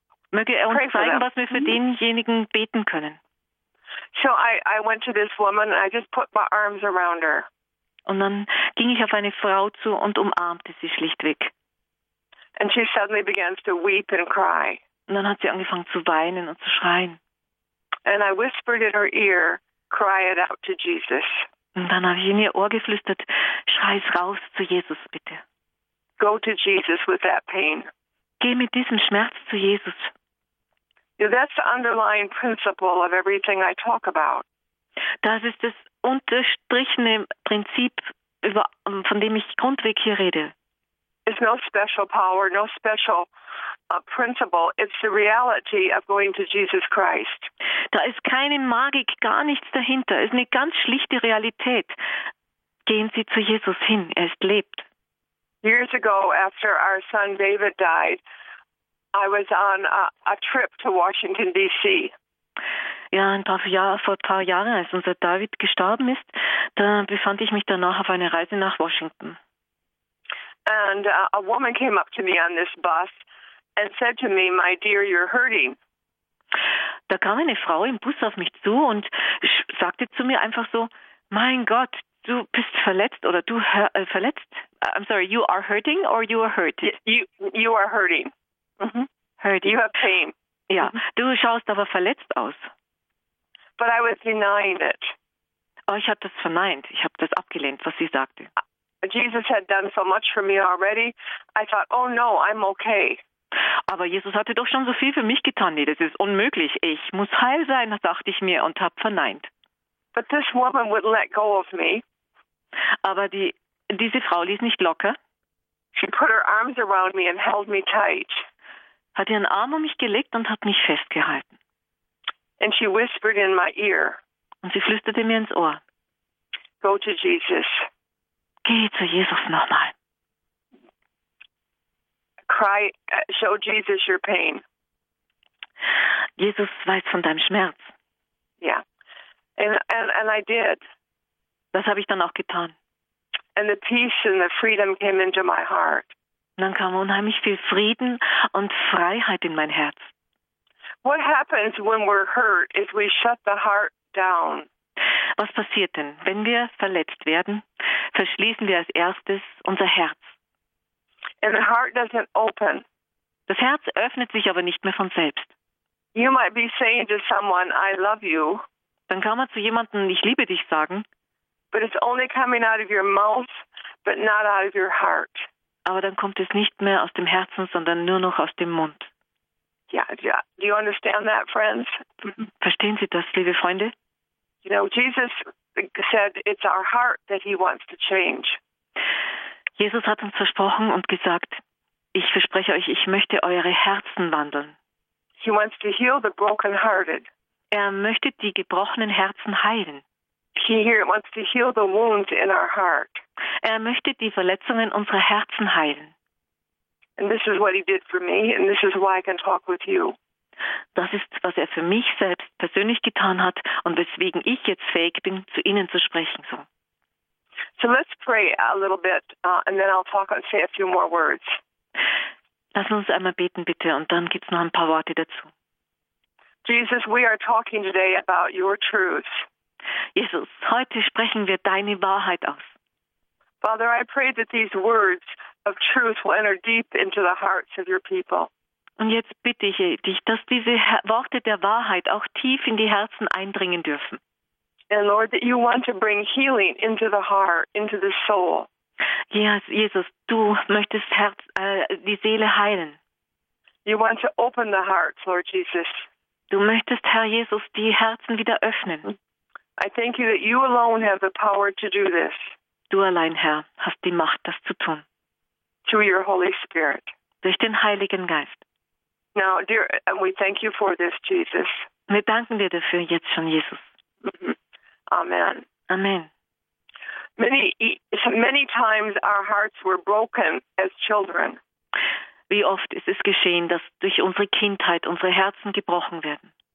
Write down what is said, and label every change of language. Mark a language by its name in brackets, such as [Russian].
[German] möge er uns zeigen, was wir für denjenigen beten können. [English] So I went to this woman and I just put my arms around her. [German] Und dann ging ich auf eine Frau zu und umarmte sie schlichtweg. [English] And she suddenly began to weep and cry. [German] Und dann hat sie angefangen zu weinen und zu schreien. [English] And I whispered in her ear, cry it out to Jesus. [German] Und dann habe ich in ihr Ohr geflüstert, schrei es raus zu Jesus, bitte. [English] Go to Jesus with that pain. [German] Geh mit diesem Schmerz zu Jesus. [English] That's the underlying principle of everything I talk about. [German] Das ist das unterstrichene Prinzip, über, von dem ich grundweg hier rede. [English] It's no special power, no special principle. It's the reality of going to Jesus Christ. [German] Da ist keine Magik, gar nichts dahinter. Es ist eine ganz schlichte Realität. Gehen Sie zu Jesus hin, er ist lebt. [English] Years ago, after our son David died, I was on a trip to Washington D.C. [German] Ja, vor ein paar Jahren, als unser David gestorben ist, da befand ich mich danach auf einer Reise nach Washington. [English] And a woman came up to me on this bus and said to me, "My dear, you're hurting." [German] Da kam eine Frau im Bus auf mich zu und sagte zu mir einfach so, "Mein Gott, du bist verletzt oder du verletzt? [English] I'm sorry, you are hurting or you are hurt? You are hurting. Mm-hmm. Hurting. You have pain. [German] Ja, du schaust aber verletzt aus. [English] But I was denying it. [German] Oh, ich habe das verneint. Ich habe das abgelehnt, was sie sagte. [English] Jesus had done so much for me already. I thought, oh no, I'm okay. [German] Aber Jesus hatte doch schon so viel für mich getan. Nee, das ist unmöglich. Ich muss heil sein, dachte ich mir und habe verneint. [English] But this woman would let go of me. [German] Aber diese Frau ließ nicht locker. [English] She put her arms around me and held me tight. [German] Hat ihren Arm um mich gelegt und hat mich festgehalten. [English] And she whispered in my ear. [German] Und sie flüsterte mir ins Ohr. [English] Go to Jesus. [German] Geh zu Jesus nochmal. [English] Cry, show Jesus your pain. [German] Jesus weiß von deinem Schmerz. [English] Yeah. And I did. [German] Das habe ich dann auch getan. [English] And the peace and the freedom came into my heart. [German] Dann kam unheimlich viel Frieden und Freiheit in mein Herz. [English] What happens when we're hurt is we shut the heart down. [German] Was passiert denn, wenn wir verletzt werden? Verschließen wir als erstes unser Herz. [English] And the heart doesn't open. [German] Das Herz öffnet sich aber nicht mehr von selbst. [English] You might be saying to someone, "I love you." [German] Dann kann man zu jemandem, "Ich liebe dich" sagen. [English] But it's only coming out of your mouth, but not out of your heart. [German] Aber dann kommt es nicht mehr aus dem Herzen, sondern nur noch aus dem Mund. [English] Yeah. Do you understand that, friends? [German] Verstehen Sie das, liebe Freunde? [English] You know, Jesus said it's our heart that he wants to change. [German] Jesus hat uns versprochen und gesagt, ich verspreche euch, ich möchte eure Herzen wandeln. [English] He wants to heal the brokenhearted. [German] Er möchte die gebrochenen Herzen heilen. [English] He wants to heal the wounds in our heart. [German] Er möchte die Verletzungen unserer Herzen heilen. [English] And this is what he did for me, and this is why I can talk with you. [German] Das ist, was er für mich selbst persönlich getan hat und weswegen ich jetzt fähig bin, zu Ihnen zu sprechen. [English] So. So let's pray a little bit, and then I'll talk and say a few more words. [German] Lass uns einmal beten, bitte, und dann gibt's noch ein paar Worte dazu. [English] Jesus, we are talking today about your truth. [German] Jesus, heute sprechen wir deine Wahrheit aus. [English] Father, I pray that these words of truth will enter deep into the hearts of your people. [German] Und jetzt bitte ich dich, dass diese Worte der Wahrheit auch tief in die Herzen eindringen dürfen. [English] And Lord, that you want to bring healing into the heart, into the soul. [German] Yes, Jesus, du möchtest die Seele heilen. [English] You want to open the hearts, Lord Jesus. [German] Du möchtest, Herr Jesus, die Herzen wieder öffnen. [English] I thank you that you alone have the power to do this. [German] Du allein, Herr, hast die Macht, das zu tun. [English] Through your Holy Spirit. [German] Durch den Heiligen Geist. [English] Now, dear, and we thank you for this, Jesus. [German] Wir danken dir dafür jetzt schon, Jesus. Amen. Amen. [English] Many times our hearts were broken as children. [German] Wie oft ist es geschehen, dass durch unsere Kindheit unsere Herzen gebrochen werden?